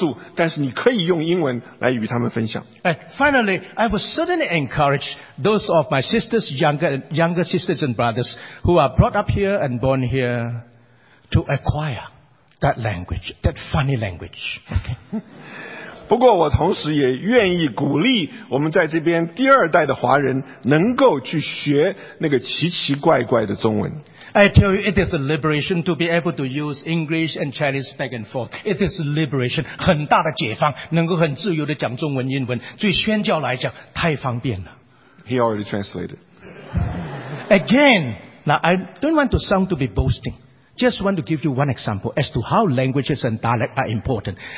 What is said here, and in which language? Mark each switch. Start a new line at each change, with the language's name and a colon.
Chinese: 我十分的相信在10年左右，我们今天我们在美国的第二代的所谓在美国生长的华人，能够在中国的国内用英文和他们的下一代来分享你的信仰。当然你会普通话会有帮助，但是你可以用英文来与他们分享。
English: Finally, I would certainly encourage those of my sisters, younger sisters and brothers who are brought up here and born here to acquire that language, that funny language. Okay.
Chinese: 不过我同时也愿意鼓励我们在这边第二代的华人能够去学那个奇奇怪怪的中文。
English: I tell you, it is a liberation to be able to use English and Chinese back and forth. It is a liberation,
Chinese: 很大的解放，能够很自由地讲中文、英文，对宣教来讲太方便了。
English: He already translated. Again, now I don't want to sound to be boasting. Just want to give you one example as to how languages and dialect are important.